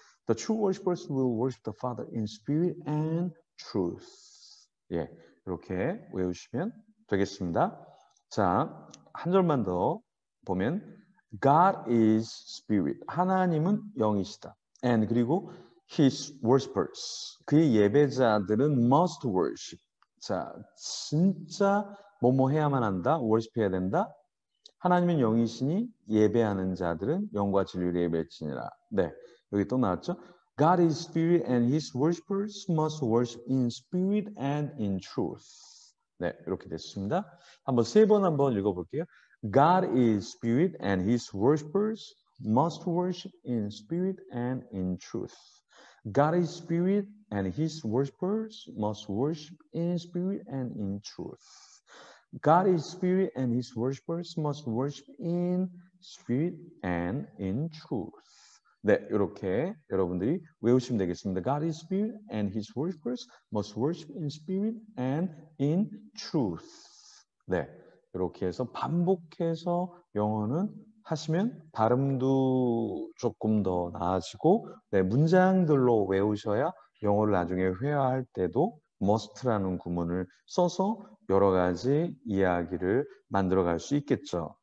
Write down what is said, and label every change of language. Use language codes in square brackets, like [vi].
[en] The true worshippers will worship the Father in spirit and truth. [ko] 예, 이렇게 외우시면 되겠습니다. 자, 한 절만 더 보면 [en] God is spirit. [ko] 하나님은 영이시다. And 그리고 [en] his worshippers. [ko] 그의 예배자들은 [en] must worship. [ko] 자, 진짜 뭐뭐 해야만 한다. worship 해야 된다. 하나님은 영이시니 예배하는 자들은 영과 진리로 예배할지니라. 네. 여기 또 나왔죠? [en] God is spirit and his worshippers must worship in spirit and in truth. [ko] 네, 이렇게 됐습니다. 한번 세번 한번 읽어볼게요. [en] God is spirit and his worshippers must worship in spirit and in truth. God is spirit and his worshippers must worship in spirit and in truth. God is spirit and his worshippers must worship in spirit and in truth. [ko] 네, 이렇게 여러분들이 외우시면 되겠습니다. [en] God is spirit and his worshippers must worship in spirit and in truth. [ko] 네, 이렇게 해서 반복해서 영어는 하시면 발음도 조금 더 나아지고 네, 문장들로 외우셔야 영어를 나중에 회화할 때도 must라는 구문을 써서 여러 가지 이야기를 만들어갈 수 있겠죠.